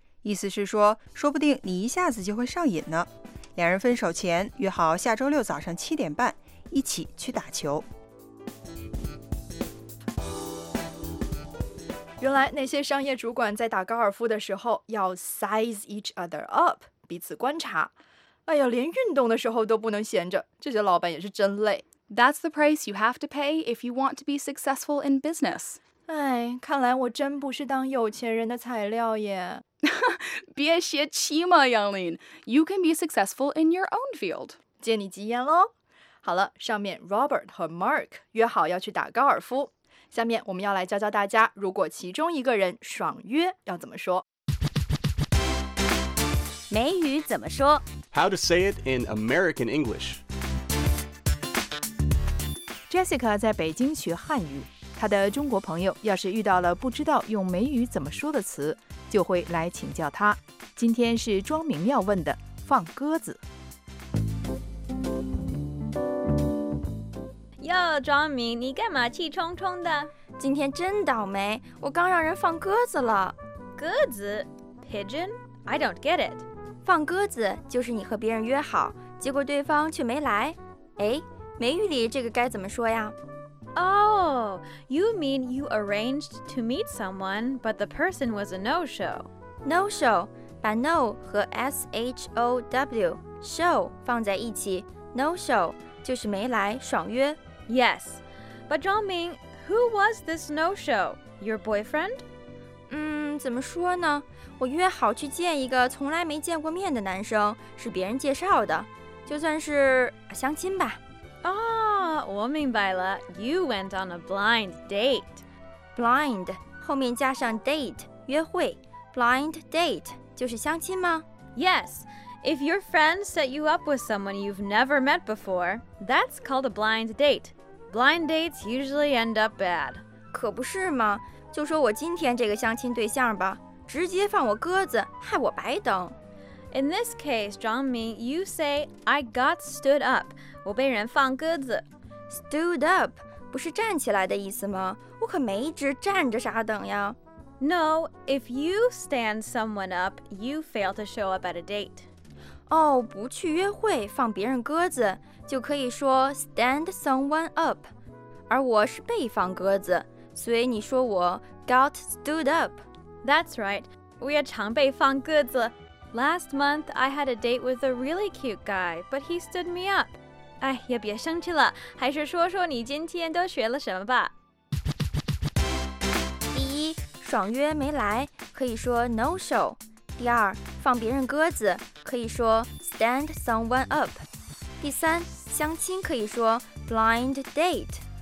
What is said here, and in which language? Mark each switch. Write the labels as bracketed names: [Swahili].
[Chinese] 意思是说，说不定你一下子就会上瘾呢。两人分手前约好下周六早上7:30一起去打球。原来那些商业主管在打高尔夫的时候要 [English] size each other up， [Chinese] 彼此观察。哎呀，连运动的时候都不能闲着，这些老板也是真累。 [English] That's the price you have to pay if you want to be successful in business. [Chinese] 哎，看来我真不是当有钱人的材料耶。别泄气嘛，杨林。 [English] You can be successful in your own field. [Chinese] 借你吉言咯。好了，上面 Robert 和 Mark 约好要去打高尔夫。下面我们要来教教大家，如果其中一个人爽约要怎么说。美语怎么说？ [English] How to say it in American English. [Chinese] Jessica 在北京学汉语，她的中国朋友要是遇到了不知道用美语怎么说的词，就会来请教她。今天是庄明要问的，放鸽子。哟，庄明，你干嘛气冲冲的？今天真倒霉，我刚让人放鸽子了。鸽子 [English] ？Pigeon？ I don't get it。 [Chinese] 放鸽子就是你和别人约好，结果对方却没来。哎。美语里这个该怎么说呀？ [English] Oh, you mean you arranged to meet someone, but the person was a no-show. [Chinese] No-show, 把 no 和 S-H-O-W, show, 放在一起。 No-show, 就是没来爽约。 [English] Yes, but Zhang Ming, who was this no-show? Your boyfriend? [Chinese] 怎么说呢？我约好去见一个从来没见过面的男生，是别人介绍的，就算是相亲吧。 [English] Oh, [Chinese] 我明白了。 [English] You went on a blind date. [Chinese] Blind, 后面加上 date, 约会。Blind date, 就是相亲吗？ [English] Yes, if your friend set you up with someone you've never met before, that's called a blind date. Blind dates usually end up bad. [Chinese] 可不是吗？就说我今天这个相亲对象吧，直接放我鸽子，害我白等。 [English] In this case, Zhang Ming, you say, I got stood up. [Chinese] 我被人放鸽子。 Stood up, 不是站起来的意思吗？我可没一直站着傻等呀。 [English] No, if you stand someone up, you fail to show up at a date. [Chinese] 哦，不去约会放别人鸽子，就可以说 stand someone up. 而我是被放鸽子，所以你说我 got stood up. [English] That's right, [Chinese] 我也常被放鸽子。 [English] Last month, I had a date with a really cute guy, but he stood me up. [Chinese] 哎，也别生气了，还是说说你今天都学了什么吧。第一，爽约没来，可以说 no show. 第二，放别人鸽子，可以说 stand someone up. 第三，相亲可以说 blind date.